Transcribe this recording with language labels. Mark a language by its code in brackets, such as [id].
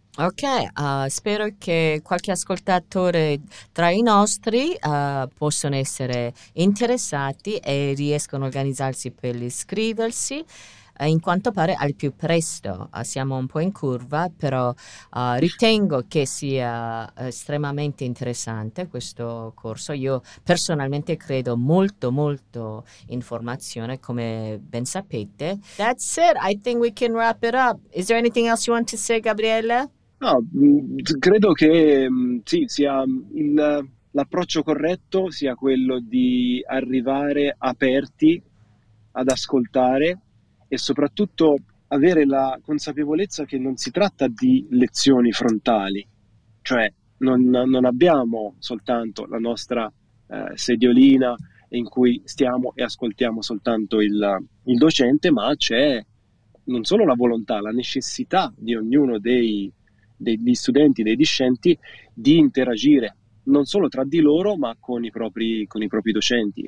[it] Ok, spero che qualche ascoltatore tra i nostri possano essere interessati e riescano a organizzarsi per iscriversi. In quanto pare al più presto, siamo un po' in curva, però ritengo che sia estremamente interessante questo corso. Io personalmente credo molto, molto in formazione, come ben sapete. [en] That's it, I think we can wrap it up. Is there anything else you want to say, Gabriele? [it] No, credo che sì, sia l'approccio corretto sia quello di arrivare aperti ad ascoltare. E soprattutto avere la consapevolezza che non si tratta di lezioni frontali, cioè non abbiamo soltanto la nostra sediolina in cui stiamo e ascoltiamo soltanto il docente, ma c'è non solo la volontà, la necessità di ognuno degli studenti, dei discenti, di interagire non solo tra di loro, ma con i propri docenti.